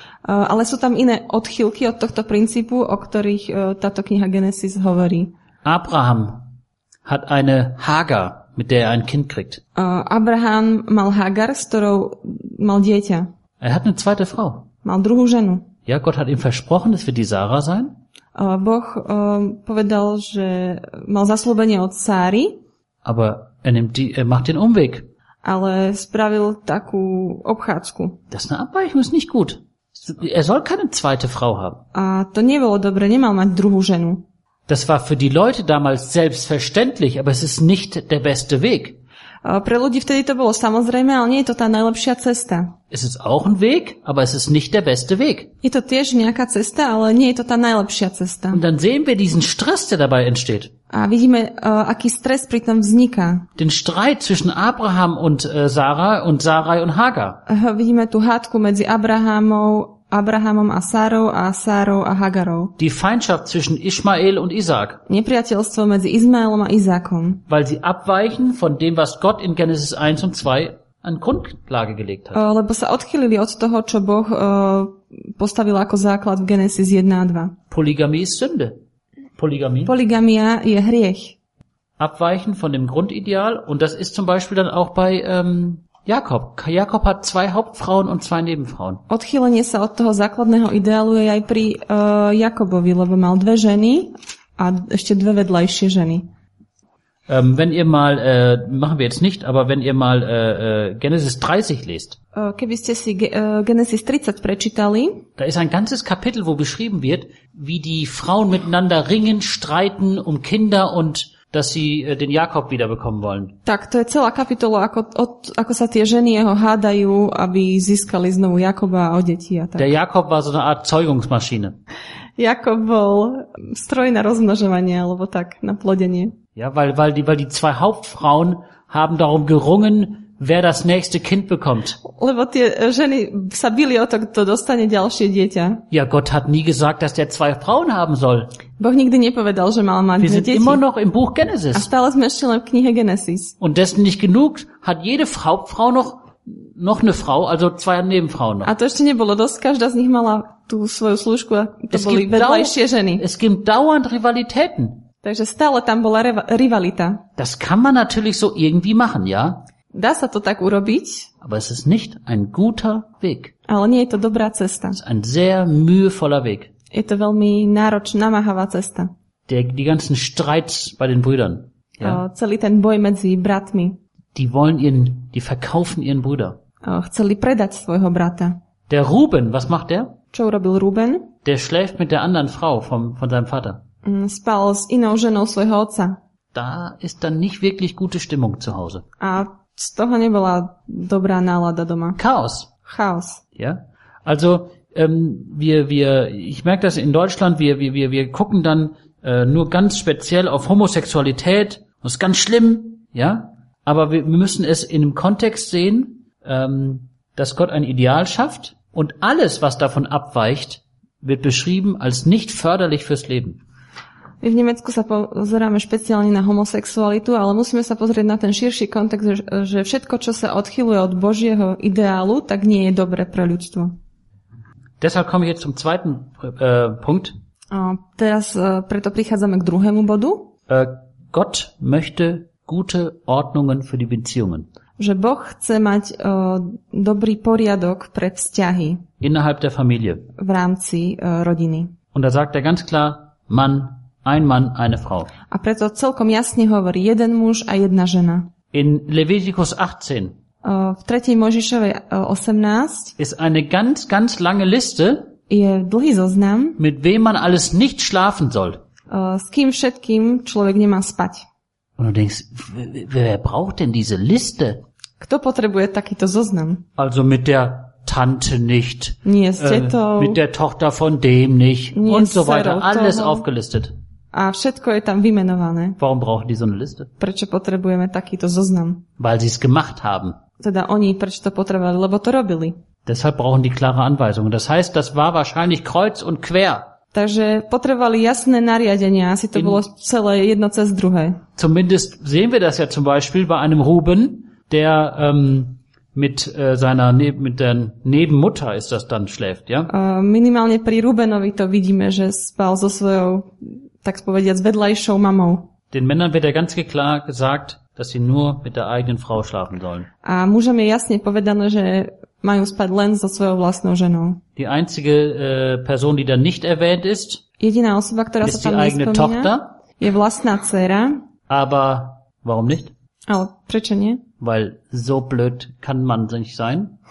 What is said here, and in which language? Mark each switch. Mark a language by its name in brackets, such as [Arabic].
[Slovak] Ale sú tam iné odchýlky od tohto princípu, o ktorých táto kniha Genesis hovorí. [German] Abraham hat eine Hagar, mit der er ein Kind kriegt. [Slovak] Abraham mal Hagar, s ktorou mal dieťa. [German] Er hat eine zweite Frau. [Slovak] Mal druhú ženu. [German] Ja, Gott hat ihm versprochen, es wird die Sarah sein. [Slovak] Boh povedal, že mal zasľúbenie od Sáry. [German] Aber er macht den Umweg. [Slovak] Ale spravil takú obchádzku. [German] Das ist eine Abweichung, ist nicht gut. Er soll keine zweite Frau haben. [Slovak] A to nie było dobre, nie mal mať druhú ženu. [German] Das war für die Leute damals selbstverständlich, aber es ist nicht der beste Weg. [Slovak] Pre ľudí vtedy to bolo samozrejme, ale nie je to tá najlepšia cesta. [German] Es ist auch ein Weg, aber es ist nicht der beste Weg. [Slovak] Je to tiež nejaká cesta, ale nie je to tá najlepšia cesta. [German] Und dann sehen wir diesen Stress, der dabei entsteht. [Slovak] A vidíme, aký stres pri tom vzniká. [German] Den Streit zwischen Abraham und Sarah und Sarai und Hagar. [Slovak] Vidíme tú hádku medzi Abrahamom a Sárou a Sárou a Hagarou. [German] Die Feindschaft zwischen Ishmael und Isaac. [Slovak] Nepriateľstvo medzi Izmaelom a Izákom. [German] Weil sie abweichen von dem, was Gott in Genesis 1 und 2 an Grundlage gelegt hat. [Slovak] Lebo sa odchýlili od toho, čo Boh postavil ako základ v Genesis 1 a 2. [German] Polygamie ist Sünde. Polygamie. [Slovak] Polygamia je hriech. [German] Abweichen von dem Grundideal und das ist zum Beispiel dann auch bei Jakob. Jakob hat zwei Hauptfrauen und zwei Nebenfrauen. [Slovak] Odchýlenie sa od toho základného ideálu je aj pri Jakobovi, lebo mal dve ženy a ešte dve vedľajšie ženy. [German] Wenn ihr mal, machen wir jetzt nicht, aber wenn ihr mal Genesis 30 lest. [Slovak] Keby ste si Genesis 30 prečítali. [German] Da ist ein ganzes Kapitel, wo beschrieben wird, wie die Frauen miteinander ringen, streiten um Kinder und dass sie den Jakob wiederbekommen wollen. [Slovak] Tak, to je celá kapitola, ako sa tie ženy jeho hádajú, aby získali znovu Jakoba a o deti a tak. [German] Der Jakob war so eine Art Zeugungsmaschine. [Slovak] Jakob bol stroj na rozmnožovanie, alebo tak, na plodenie. [German] Ja, weil die zwei Hauptfrauen haben darum gerungen, wer das nächste Kind bekommt. [Slovak] Lebo tie ženy sa bili o to, kto dostane ďalšie dieťa. [German] Ja, Gott hat nie gesagt, dass der zwei Frauen haben soll. [Slovak] Boh nikdy nepovedal, že mal mať dve deti. [German] Wir sind immer noch im Buch Genesis. [Slovak] A stále sme ešte len v knihe Genesis. [German] Und dessen nicht genug hat jede Hauptfrau noch eine Frau, also zwei Nebenfrauen noch. [Slovak] A to ešte nebolo dosť, každá z nich mala tú svoju služku a to es boli vedľajšie ženy. [German] Es gibt dauernd Rivalitäten. [Slovak] Takže stále tam bola rivalita. [German] Das kann man natürlich so irgendwie machen, ja? [Slovak] Dá sa to tak urobiť. [German] Aber es ist nicht ein guter Weg. [Slovak] Ale nie je to dobrá cesta. [German] Es ist ein sehr mühevoller Weg. [Slovak] Je to veľmi náročná, namáhavá cesta. [German] Die ganzen Streits bei den Brüdern. Ja? [Slovak] Celý ten boj medzi bratmi. [German] Die verkaufen ihren Bruder. [Slovak] Chceli predať svojho brata. [German] Der Ruben, was macht der? [Slovak] Čo urobil Ruben? [German] Der schläft mit der anderen Frau von seinem Vater. [Slovak] Spal s inou ženou svojho otca. [German] Da ist dann nicht wirklich gute Stimmung zu Hause. [Slovak] A z toho nebola dobrá nálada doma. [German] Chaos. [Slovak] Chaos. [German] Ja. Also ich merke das in Deutschland, wir gucken dann nur ganz speziell auf Homosexualität. Das ist ganz schlimm, ja? Aber wir müssen es in einem Kontext sehen, dass Gott ein Ideal schafft und alles, was davon abweicht, wird beschrieben als nicht förderlich fürs Leben. [Slovak] My v Nemecku sa pozeráme špeciálne na homosexualitu, ale musíme sa pozrieť na ten širší kontext, že všetko, čo sa odchyluje od Božieho ideálu, tak nie je dobre pre ľudstvo. [German] Deshalb komme ich jetzt zum zweiten Punkt. [Slovak] Teraz preto prichádzame k druhému bodu. [German] Gott möchte gute Ordnungen für die Beziehungen. [Slovak] Že Boh chce mať dobrý poriadok pre vzťahy. [German] Innerhalb der Familie. [Slovak] V rámci rodiny. [German] Und da sagt er ganz klar, Mann, ein Mann, eine Frau. [Slovak] A preto celkom jasne hovorí, jeden muž a jedna žena. [German] In Leviticus 18. [Slovak] V 3. Mojžišovej 18 [German] ist eine ganz, ganz lange Liste, [Slovak] je dlhý zoznam, [German] mit wem man alles nicht schlafen soll. [Slovak] S kým všetkým človek nemá spať. [German] Und du denkst, wer braucht denn diese Liste? [Slovak] Kto potrebuje takýto zoznam? [German] Also mit der Tante nicht, [Slovak] nie s tetou, [German] mit der Tochter von dem nicht und so weiter, alles [Slovak] toho. [German] Aufgelistet. [Slovak] A všetko je tam vymenované. [German] Warum brauchen die so eine Liste? [Slovak] Prečo potrebujeme takýto zoznam? [German] Weil sie es gemacht haben. [Slovak] Teda oni prečo to potrebovali, lebo to robili. [German] Deshalb brauchen die klare Anweisungen. Das heißt, das war wahrscheinlich kreuz und quer. [Slovak] Takže potrebovali jasné nariadenia, asi to bolo celé jedno cez druhé. [German] Zumindest sehen wir das ja zum Beispiel bei einem Ruben, der mit der Nebenmutter ist das dann schläft, ja? [Slovak] Minimálne pri Rubenovi to vidíme, že spal so svojou, tak povediať, vedľajšou mamou. [German] Den Männern wird ja ganz klar gesagt, dass sie nur mit der eigenen Frau schlafen sollen. [Slovak] A mužom je jasne povedané, že majú spať len so svojou vlastnou ženou. [German] Die einzige Person, die da nicht erwähnt ist, [Slovak] jediná osoba, ktorá sa tam nespomína, je vlastná dcéra. [German] Aber warum nicht? [Slovak] Ale prečo nie? [German] Weil so blöd kann man nicht sein.